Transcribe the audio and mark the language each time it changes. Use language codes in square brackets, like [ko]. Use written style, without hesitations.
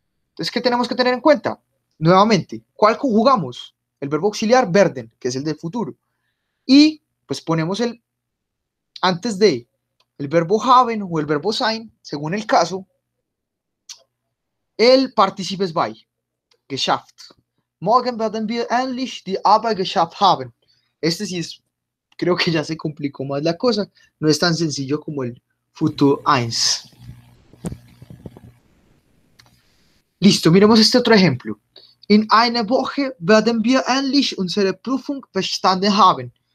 [es] Entonces, ¿qué tenemos que tener en cuenta? Nuevamente, ¿cuál conjugamos? El verbo auxiliar, werden, que es el del futuro. Y, pues, ponemos el antes de el verbo haben o el verbo sein, según el caso, el participe Zwei, geschafft. [de] Morgen werden wir endlich die Arbeit geschafft haben. [es] Este sí es, creo que ya se complicó más la cosa. No es tan sencillo como el futuro eins. Listo, miremos este otro ejemplo. [de] In einer Woche werden wir endlich unsere Prüfung bestanden haben.